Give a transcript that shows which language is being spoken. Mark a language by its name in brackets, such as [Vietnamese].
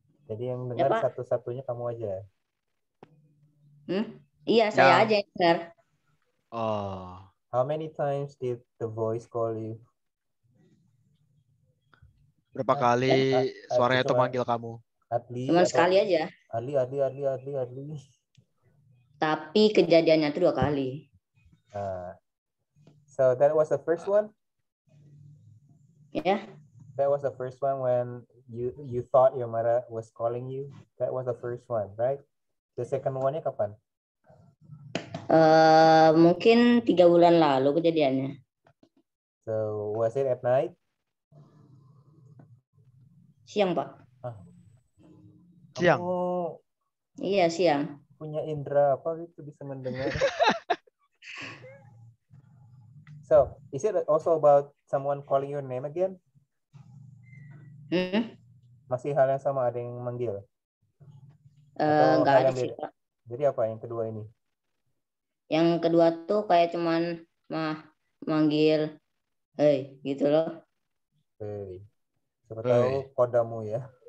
[Indonesian] Jadi yang dengar ya, satu-satunya kamu aja. Iya, saya aja yang dengar. [English] How many times did the voice call you? [Indonesian] Berapa kali suaranya itu manggil kamu? Cuma sekali aja. Adli. Tapi kejadiannya itu dua kali. [English] So that was the first one? Yeah. That was the first one when you thought your mother was calling you. That was the first one, right? The second one-nya kapan? [Indonesian] Mungkin 3 bulan lalu kejadiannya. [English] So, was it at night? [Indonesian] Siang, Pak. Siang? Iya, siang. punya indera apa itu bisa mendengar. [English] So, is it also about someone calling your name again? [Indonesian] Masih hal yang sama, ada yang manggil? Enggak ada sih. Jadi apa yang kedua ini? Yang kedua tuh kayak cuman manggil, hey, gitu loh. Hey. Siapa tahu kodamu ya.